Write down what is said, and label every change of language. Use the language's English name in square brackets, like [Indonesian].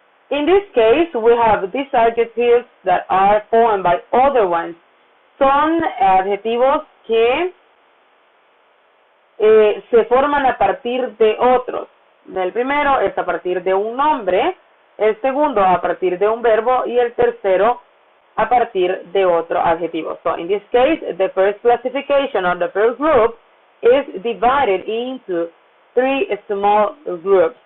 [English] In this case, we have these adjectives that are formed by other ones. [Spanish] Son adjetivos que se forman a partir de otros. El primero es a partir de un nombre, el segundo a partir de un verbo, y el tercero a partir de otro adjetivo. [English] So in this case, the first classification or the first group is divided into three small groups.